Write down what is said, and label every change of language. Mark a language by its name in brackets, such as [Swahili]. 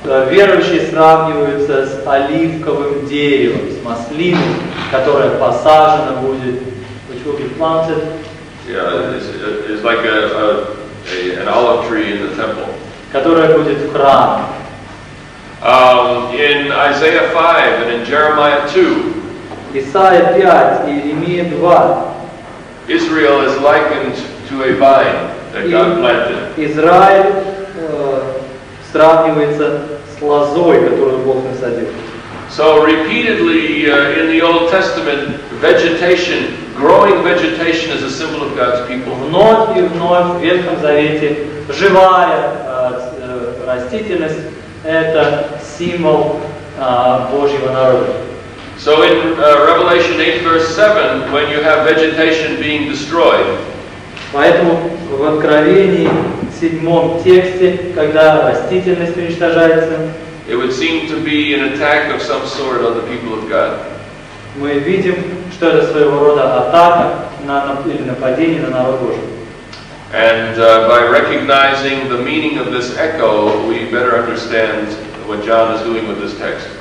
[Russian] Верующие сравниваются с оливковым деревом, с маслиной, которая посажена будет, [English] which will be planted. Yeah, it's like an olive tree in the temple. [Russian] Которая будет в храме. [English] In Isaiah 5 and in Jeremiah 2, [Russian] Исаия 5 и Иеремия 2, [English] Israel is likened to a vine that God planted. [Russian] Израиль сравнивается с лозой, которую Бог насадил. [English] So repeatedly in the Old Testament, vegetation, growing vegetation, is a symbol of God's people. [Russian] Вновь и вновь в Ветхом Завете живая растительность. Это символ Божьего народа. [English] So in Revelation 8, verse 7, when you have vegetation being destroyed. [Russian] Поэтому в Откровении 7 тексте, когда растительность уничтожается, [English] it would seem to be an attack of some sort on the people of God. [Russian] Мы видим, что это своего рода атака или нападение на народ Божий. [English] And by recognizing the meaning of this echo, we better understand what John is doing with this text.